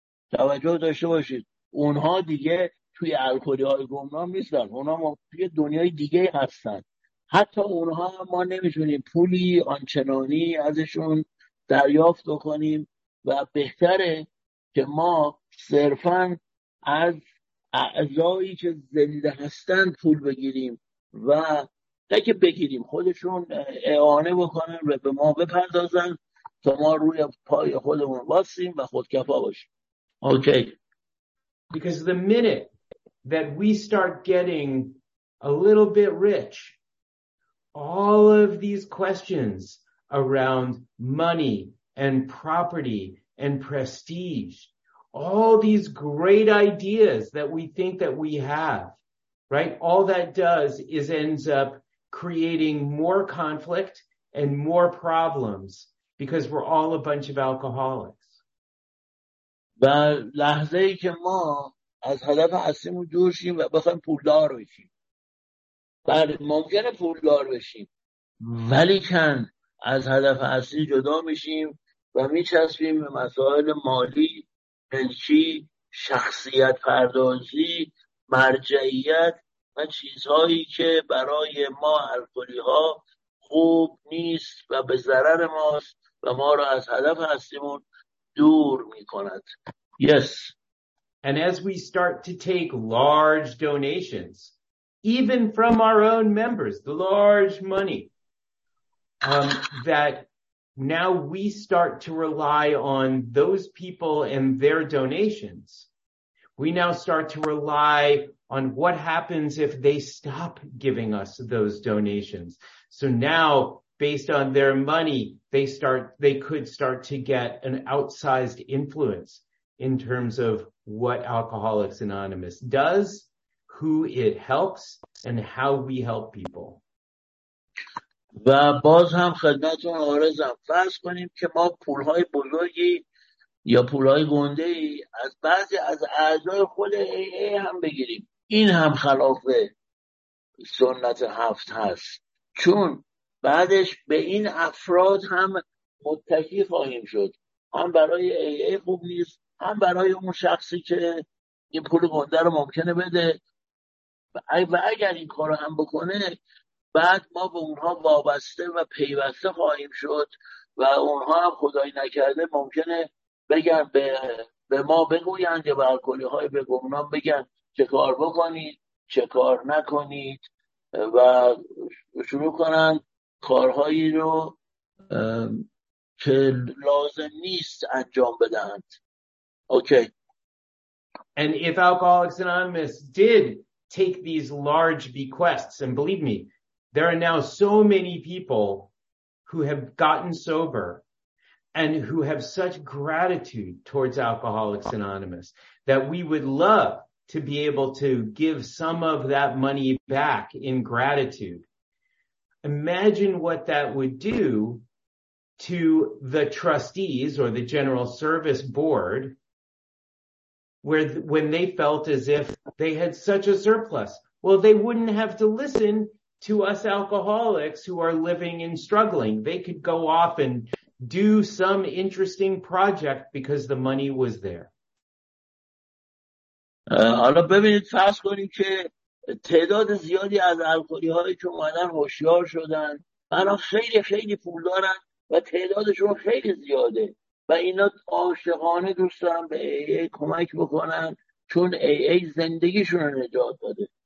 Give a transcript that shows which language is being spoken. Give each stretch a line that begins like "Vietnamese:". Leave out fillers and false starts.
Persian: توجه داشته باشید اونها دیگه توی الکلی‌های گمنام نیستن، اونها توی دنیای دیگه هستن، حتی اونها ما نمی‌تونیم پولی آنچنانی ازشون دریافت کنیم و بهتره که ما صرفا از اعضایی که زنده هستند پول بگیریم و تک بگیریم خودشون اعانه بکنن و به ما بپردازن تا ما روی پای خودمون واسیم و خودکفا باشیم.
English: Okay. Because the minute that we start getting a little bit rich, all of these questions around money and property and prestige, all these great ideas that we think that we have, right? All that does is ends up creating more conflict and more problems because we're all a bunch of alcoholics.
Persian: و لحظه ای که ما از هدف اصلیمون دور شیم و بخوایم پولدار بشیم. بله ممکنه پولدار بشیم. ولی کن از هدف اصلی جدا میشیم و میچسبیم به مسائل مالی، ملکی، شخصیت پردازی، مرجعیت و چیزهایی که برای ما الکلی ها خوب نیست و به ضرر ماست و ما را از هدف اصلیمون دور میکند.
English: Yes. And as we start to take large donations, even from our own members, the large money, that now we start to rely on those people and their donations. We now start to rely on what happens if they stop giving us those donations. So now, based on their money, they could start to get an outsized influence in terms of what Alcoholics Anonymous does, who it helps, and how we help people.
Persian: و باز هم خدمتتون عرضم، فرض کنیم که ما پولهای بزرگی یا پولهای گنده ای از بعضی از اعضای خود AA هم بگیریم، این هم خلاف سنت هفت هست، چون بعدش به این افراد هم متکی خواهیم شد، هم برای AA خوب نیست، هم برای اون شخصی که این پول گنده رو ممکنه بده، و اگر این کار هم بکنه بعد ما به اونها وابسته و پیوسته خواهیم شد و اونها هم خدای نکرده ممکنه بگن به ما بگویند یا به الکلی های به گمنام بگن چه کار بکنید چه کار نکنید و شروع کنن کارهایی رو که لازم نیست انجام بدهند.
English: Okay. And if Alcoholics Anonymous did take these large bequests, and believe me, there are now so many people who have gotten sober and who have such gratitude towards Alcoholics Anonymous that we would love to be able to give some of that money back in gratitude. Imagine what that would do to the trustees or the General Service Board, where when they felt as if they had such a surplus. Well, they wouldn't have to listen to us alcoholics who are living and struggling. They could go off and do some interesting project because the money was there.
Persian: حالا ببینید، فرض کنید که تعداد زیادی از الکلی هایی که اومدن هوشیار شدن، الان خیلی خیلی پول دارن و تعدادشون خیلی زیاده و اینا عاشقانه دوست دارن به AA کمک بکنن چون AA زندگیشون رو نجات داده.